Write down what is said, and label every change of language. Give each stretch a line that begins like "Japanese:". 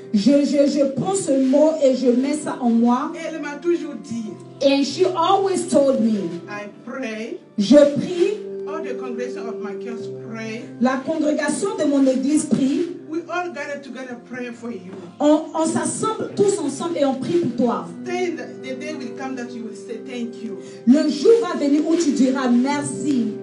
French: Je prends ce mot et je mets ça en moi. Et elle m'a toujours dit.
English: And she always told me, I pray,
French: je prie,
English: all the congregation of my church pray,
French: la congrégation de mon église prie,
English: we all gather together pray for you.
French: On s'assemble tous ensemble et on prie pour toi.
English: The day will come that you will say thank you.
French: Le jour va venir où tu diras merci.